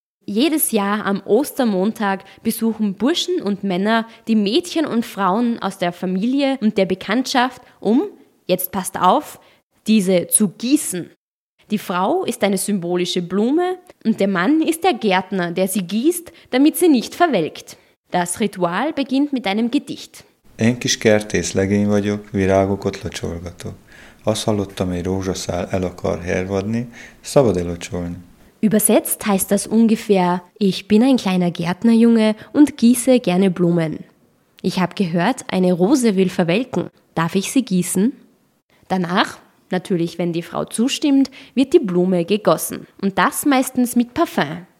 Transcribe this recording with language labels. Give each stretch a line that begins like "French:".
German: Jedes Jahr am Ostermontag besuchen Burschen und Männer die Mädchen und Frauen aus der Familie und der Bekanntschaft, um, jetzt passt auf, diese zu gießen. Die Frau ist eine symbolische Blume und der Mann ist der Gärtner, der sie gießt, damit sie nicht verwelkt. Das Ritual beginnt mit einem Gedicht.
Hungarian: Én kis kertészlegény vagyok, virágokat locsolgatok. Azt hallottam, egy rózsaszál el akar hervadni, szabad locsolni.
German: Übersetzt heißt das ungefähr, ich bin ein kleiner Gärtnerjunge und gieße gerne Blumen. Ich habe gehört, eine Rose will verwelken, darf ich sie gießen? Danach, natürlich wenn die Frau zustimmt, wird die Blume gegossen und das meistens mit Parfum.